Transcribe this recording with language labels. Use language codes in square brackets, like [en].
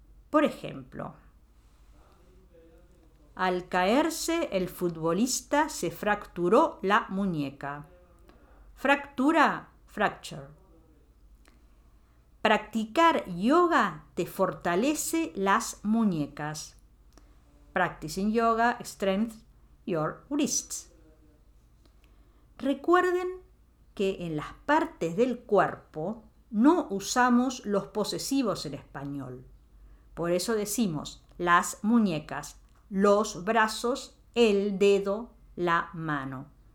[es] Por ejemplo, al caerse el futbolista se fracturó la muñeca. Fractura, fracture. Practicar yoga te fortalece las muñecas. [en] Practicing yoga strengthens your wrists. [es] Recuerden que en las partes del cuerpo no usamos los posesivos en español. Por eso decimos las muñecas, los brazos, el dedo, la mano.